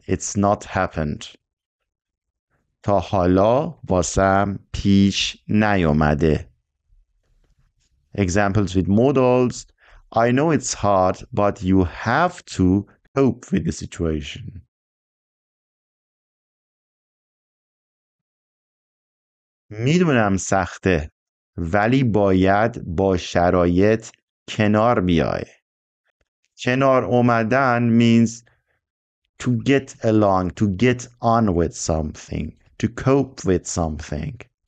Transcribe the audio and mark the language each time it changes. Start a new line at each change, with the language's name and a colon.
English: It's not happened.
Persian: تا حالا واسم پیش نیامده.
English: Examples with modals. I know it's hard, but you have to cope with the situation.
Persian: میدونم سخته ولی باید با شرایط کنار بیای. کنار اومدن
English: means to get along, to get on with something, to cope with something.